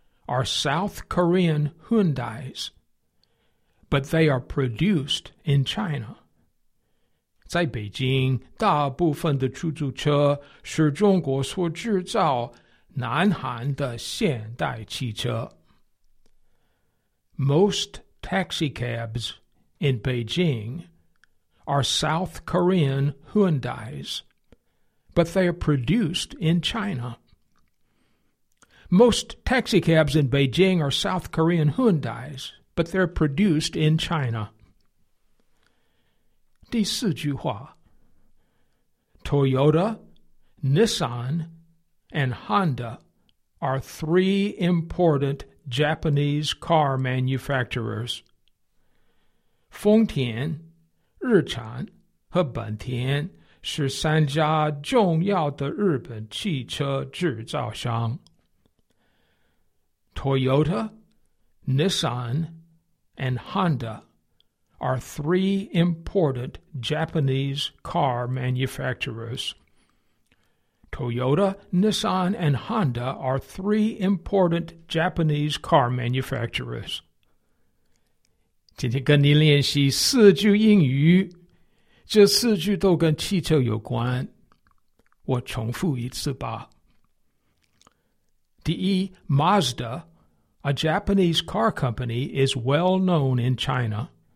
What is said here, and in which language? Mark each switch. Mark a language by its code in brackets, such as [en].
[en] are South Korean Hyundais, but they are produced in China. [zh] 在北京，大部分的出租车是中国所制造南韩的现代汽车。 [en] Most taxi cabs in Beijing are South Korean Hyundais, but they are produced in China. Most taxi cabs in Beijing are South Korean Hyundais, but they're produced in China. [zh] 第四句话。 [en] Toyota, Nissan, and Honda are three important Japanese car manufacturers. [zh] 丰田、日产和本田是三家重要的日本汽车制造商。 [en] Toyota, Nissan, and Honda are three important Japanese car manufacturers. Toyota, Nissan, and Honda are three important Japanese car manufacturers. [zh] 今天跟你练习四句英语，这四句都跟汽车有关。我重复一次吧。第一 [en] ,Mazda,A Japanese car company is well known in China.